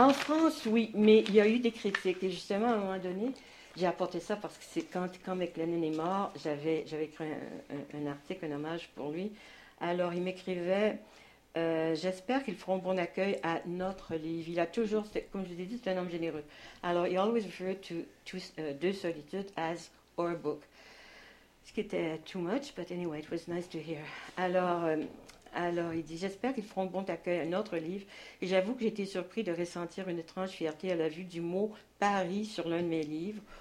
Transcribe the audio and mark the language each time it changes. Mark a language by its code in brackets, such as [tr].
[fr] En France, oui, mais il y a eu des critiques. Et justement, à un moment donné, j'ai apporté ça parce que c'est quand McLennan est mort, j'avais écrit un article, un hommage pour lui. Alors, il m'écrivait, j'espère qu'ils feront bon accueil à notre livre. Il a toujours, comme je vous ai dit, c'est un homme généreux. Alors, il a toujours [en] referred to De Solitude as our book. [fr] Ce qui était [en] too much, but anyway, it was nice to hear. [fr] Alors, il dit, j'espère qu'ils feront bon accueil à notre livre. Et j'avoue que j'ai été surpris de ressentir une étrange fierté à la vue du mot Paris sur l'un de mes livres.